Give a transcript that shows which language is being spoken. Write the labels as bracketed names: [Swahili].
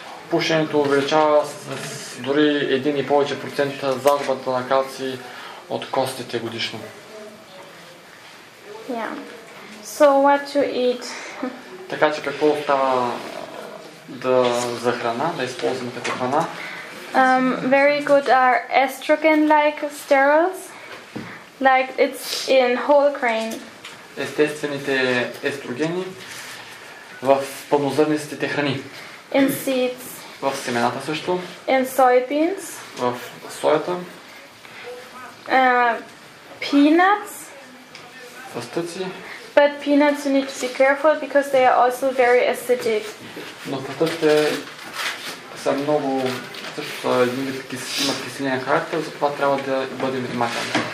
[Bulgarian] Пушенето увеличава дори 1.5% загубата на калци от костите годишно. [English] Yeah. So what to eat? [Bulgarian] Така че какво става да за храна, да използваме като храна? [English] Very good are estrogen like sterols. Like it's in whole grain. [Bulgarian] Естествените естрогени в пълнозърнистите храни. [English] In seeds. [Bulgarian] В семената също. [English] In soybeans. [Bulgarian] В соята. [English] Peanuts. [Bulgarian] Фъстъци. [English] But peanuts you need to be careful because they are also very acidic. [Bulgarian] Но фъстъците са много също имат киселинен характер, затова трябва да бъдем внимателни.